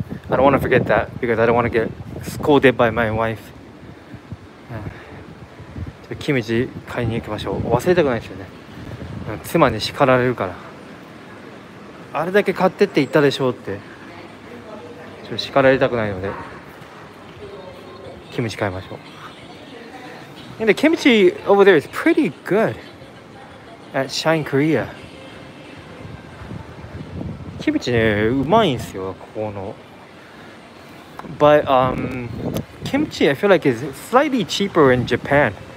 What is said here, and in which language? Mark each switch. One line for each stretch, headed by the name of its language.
English: I don't want to forget that because I don't want to get scolded by my wife. Yeah.
Japanese: キムチ買いに行きましょう。忘れたくないですよね。妻に叱られるから。あれだけ買ってって言ったでしょうって。ちょっと叱られたくないので、キムチ買いましょう。
English: And the kimchi over there is pretty good at Shine Korea.
Japanese: Kimchi ね、うまいんすよ、ここの。
English: But, kimchi, I feel like, is slightly cheaper in Japan.